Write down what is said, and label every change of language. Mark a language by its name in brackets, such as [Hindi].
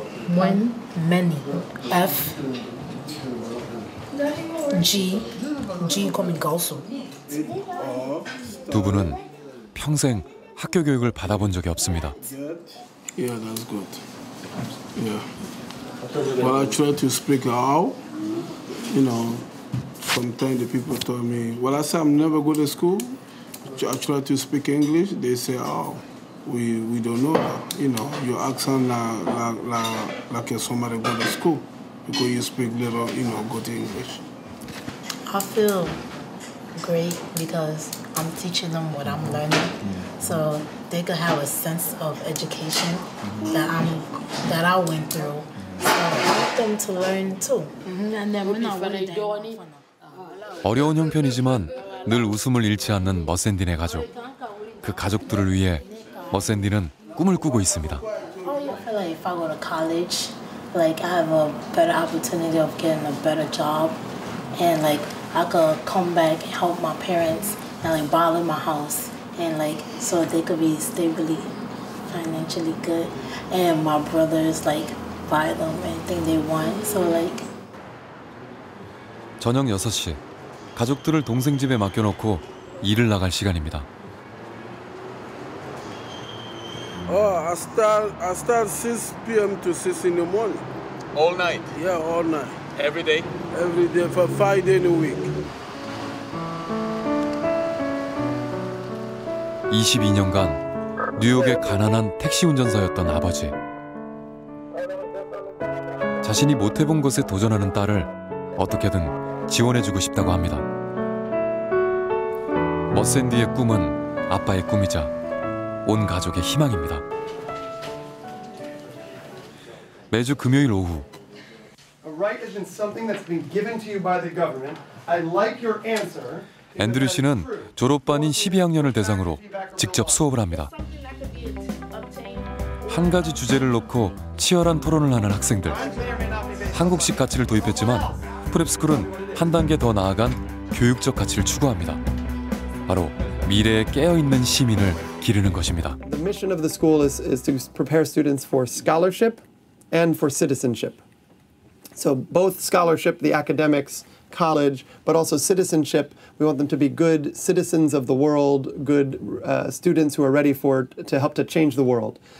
[Korean] When, many, F, G, G coming also. 두 분은 평생 학교 교육을 받아본 적이 없습니다. [English] Yeah, that's good. Yeah. When I try to speak out, you know, sometimes the people tell me, when I say I'm never go to school, I try to speak English, they say, oh, we don't know that. You know, your accent like somebody go to school because you speak little, you know, good English. I feel great because I'm teaching them what I'm learning. Yeah. So they could have a sense of education that I went through. So I want them to learn too. And then we're not gonna do anything. [Korean] 어려운 형편이지만 늘 웃음을 잃지 않는 머센딘의 가족. 그 가족들을 위해 머센딘은 꿈을 꾸고 있습니다. [English] I feel like if I go to college, like I have a better opportunity of getting a better job, and like I could come back and help my parents and like buy them my house, and like so they could be stably financially good, and my brothers like buy them anything they want. So like [Korean] 저녁 6시. 가족들을 동생 집에 맡겨놓고 일을 나갈 시간입니다. [English] Oh, I start 6 p.m. to 6 in the morning. All night? Yeah, all night. Every day? Every day for 5 days a week. [Korean] 22년간 뉴욕의 가난한 택시 운전사였던 아버지. 자신이 못해본 것에 도전하는 딸을 어떻게든 지원해주고 싶다고 합니다. 머센디의 꿈은 아빠의 꿈이자 온 가족의 희망입니다. 매주 금요일 오후. [English] A right has been something that's been given to you by the government. I like your answer. [Korean] 앤드류 씨는 졸업반인 12학년을 대상으로 직접 수업을 합니다. 한 가지 주제를 놓고 치열한 토론을 하는 학생들. 한국식 가치를 도입했지만 프랩스쿨은 한 단계 더 나아간 교육적 가치를 추구합니다. 바로 미래에 깨어 있는 시민을 기르는 것입니다. [English] The mission of the school is to prepare students for scholarship and for citizenship. So both scholarship, the academics, college, but also citizenship. We want them to be good citizens of the world, good students who are ready for to help to change the world.